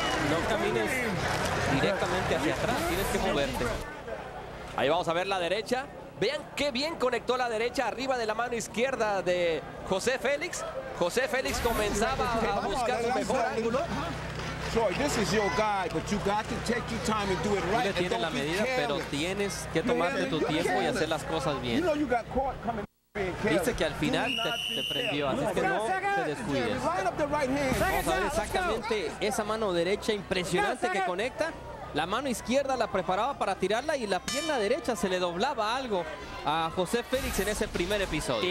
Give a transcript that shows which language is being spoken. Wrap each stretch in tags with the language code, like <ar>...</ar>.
<es>No camines directamente hacia atrás, tienes que moverte. Ahí vamos a ver la derecha. Vean qué bien conectó la derecha arriba de la mano izquierda de José Félix. José Félix comenzaba a buscar su mejor ángulo.</es> <en>Troy, this is your guy, but you got to take your time and do it right.</en> <es>Tú le tienes la medida, pero tienes que tomarte tu tiempo y hacer las cosas bien. Dice que al final te prendió, así que no te descuides. Vamos a ver exactamente esa mano derecha impresionante que conecta. La mano izquierda la preparaba para tirarla y la pierna derecha se le doblaba algo a José Félix en ese primer episodio.</es>